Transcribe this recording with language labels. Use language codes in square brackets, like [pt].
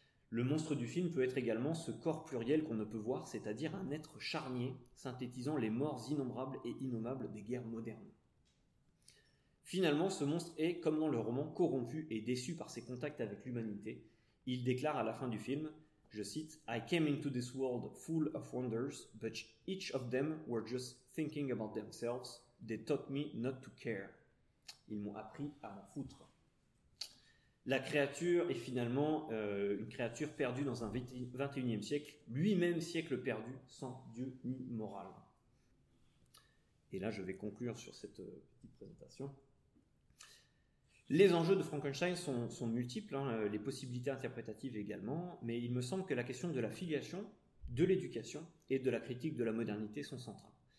[fr] Le monstre du film peut être également ce corps pluriel qu'on ne peut voir, c'est-à-dire un être charnier, synthétisant les morts innombrables et innommables des guerres modernes. Finalement, ce monstre est, comme dans le roman, corrompu et déçu par ses contacts avec l'humanité. Il déclare à la fin du film... Je cite [en] « I came into this world full of wonders, but each of them were just thinking about themselves. They taught me not to care. » [fr] Ils m'ont appris à m'en foutre. La créature est finalement une créature perdue dans un 21e siècle, lui-même siècle perdu, sans Dieu ni morale. Et là, je vais conclure sur cette petite présentation. Les enjeux de Frankenstein sont multiples, les possibilités interprétatives également, mais il me semble que la question de la filiation, de l'éducation et de la critique de la modernité sont centrales.